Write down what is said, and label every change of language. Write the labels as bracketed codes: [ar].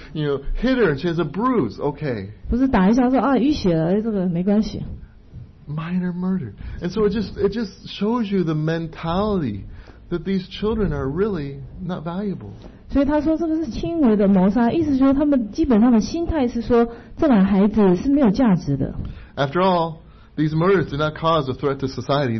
[en] You know, hit her and she has a bruise, okay. [zh] 不是打一下说啊淤血了，这个没关系。 [en] Minor murder. And so it just shows you the mentality that these children are really not valuable. [zh] 所以他说这个是轻微的谋杀，意思就是他们基本上的心态是说，这俩孩子是没有价值的。 [en] After all, these murders do not cause a threat to society.